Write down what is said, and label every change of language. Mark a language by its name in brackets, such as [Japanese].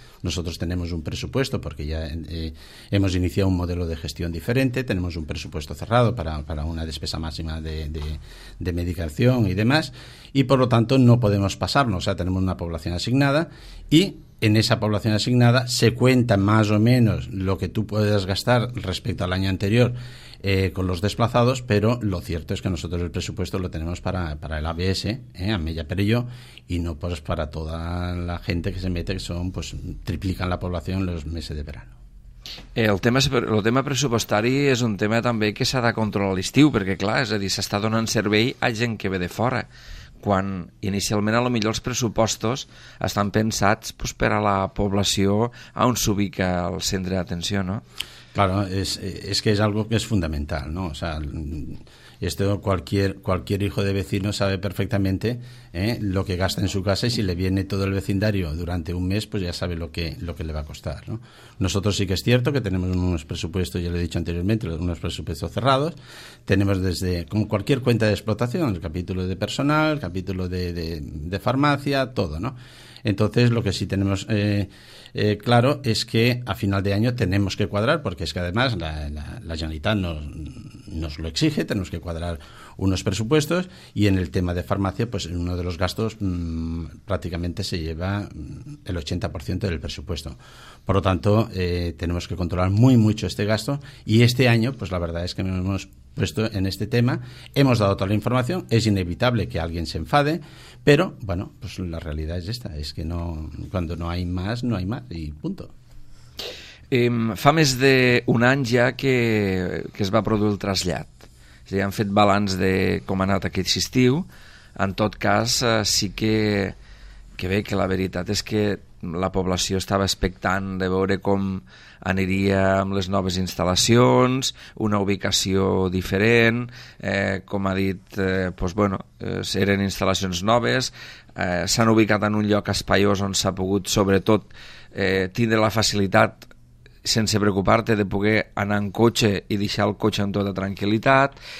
[Spanish] Nosotros tenemos un presupuesto porque ya hemos iniciado un modelo de gestión diferente, tenemos un presupuesto cerrado para una despesa máxima de medicación y demás, y por lo tanto no podemos pasarnos, o sea, tenemos una población asignada y en esa población asignada se cuenta más o menos lo que tú puedes gastar respecto al año anterior con los desplazados, pero lo cierto es que nosotros el presupuesto lo tenemos para el ABS, a Mella Perello, y no pues para toda la gente que se mete, que son, pues triplican la población los meses de verano. [Catalan] El tema pressupostari és un tema també que s'ha de controlar a l'estiu, perquè clar, és a dir, s'està donant servei a gent que ve de fora. quan inicialment a lo millor els pressupostos estan pensats pues, per a la població a on s'ubica el centre d'atenció, no? [Spanish] Claro, es que es algo que es fundamental, ¿no? O sea, esto cualquier hijo de vecino sabe perfectamente lo que gasta en su casa, y si le viene todo el vecindario durante un mes, pues ya sabe lo que le va a costar, ¿no? Nosotros sí que es cierto que tenemos unos presupuestos, ya lo he dicho anteriormente, unos presupuestos cerrados. Tenemos desde, como cualquier cuenta de explotación, el capítulo de personal, el capítulo de farmacia, todo, ¿no? Entonces, lo que sí tenemos claro es que a final de año tenemos que cuadrar, porque es que además la Generalitat nos lo exige, tenemos que cuadrar unos presupuestos, y en el tema de farmacia, pues uno de los gastos prácticamente se lleva el 80% del presupuesto. Por lo tanto, tenemos que controlar muy mucho este gasto, y este año, pues la verdad es que nos hemos puesto en este tema, hemos dado toda la información, es inevitable que alguien se enfade, pero bueno, pues la realidad es esta, es que no, cuando no hay más, no hay más, y punto. [Catalan] Fa més d'un any ja que es va produir el trasllat. És a dir, han fet balanç de com ha anat aquest estiu. En tot cas, sí que bé, que la veritat és que la població estava expectant de veure com aniria amb les noves instal·lacions, una ubicació diferent, com ha dit, doncs, bueno, eren instal·lacions noves, s'han ubicat en un lloc espaiós on s'ha pogut, sobretot, tindre la facilitat, sense preocupar-te, de poder anar en cotxe i deixar el cotxe amb tota tranquil·litat.